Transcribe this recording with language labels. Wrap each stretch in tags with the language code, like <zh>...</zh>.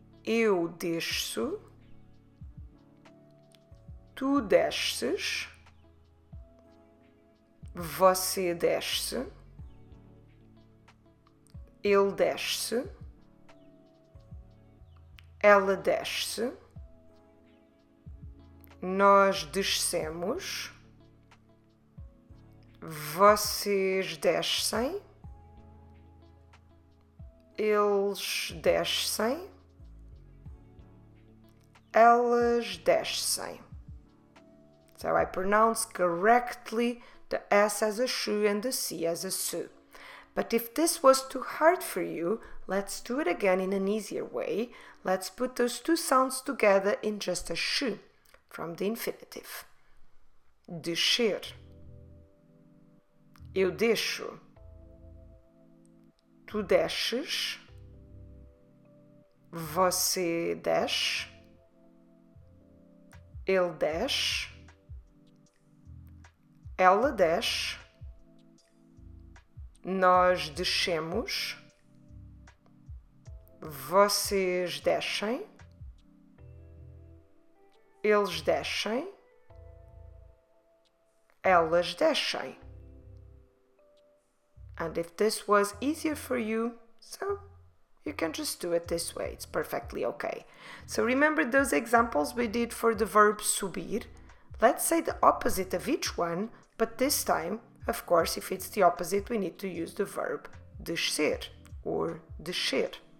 <pt>Eu desço, tu desces, você desce, ele desce, ela desce, nós descemos, vocês descem, eles descem. Elas descem.</pt> <en>So I pronounce correctly the S as a sh and the C as a su. But if this was too hard for you, let's do it again in an easier way. Let's put those two sounds together in just a sh from the infinitive.</en> <pt>Descer. Eu deixo. Tu desces. Você desce. Ele desce, ela desce, nós descemos, vocês descem, eles descem, elas descem.</pt> <en>And if this was easier for you, so you can just do it this way, it's perfectly okay. So remember those examples we did for the verb subir? Let's say the opposite of each one, but this time, of course, if it's the opposite, we need to use the verb descer or descer.</en>